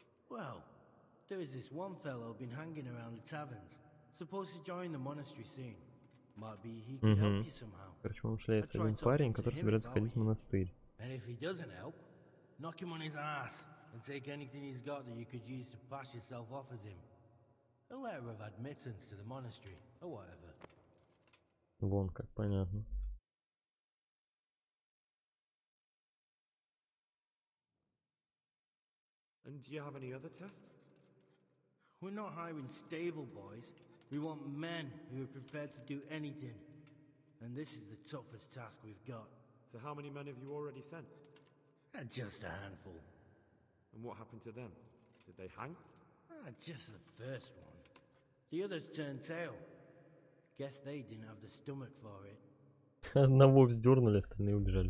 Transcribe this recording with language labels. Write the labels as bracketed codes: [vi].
[en] Well, there is this one fellow been hanging around the taverns. Supposed to join the monastery soon. Might be he could help you somehow. [ru] Короче, он шляется один парень, который собирается ходить в монастырь. [en] And if he doesn't help, knock him on his ass and take anything he's got that you could use to pass yourself off as him. A letter of admittance to the monastery, or whatever. [ru] Вон как, понятно. [en] And do you have any other test? We're not hiring stable boys. We want men who are prepared to do anything. And this is the toughest task we've got. So how many men have you already sent? Just a handful. And what happened to them? Did they hang? Just the first one. The others turned tail. Guess they didn't have the stomach for it. [ru] Одного вздернули, остальные убежали.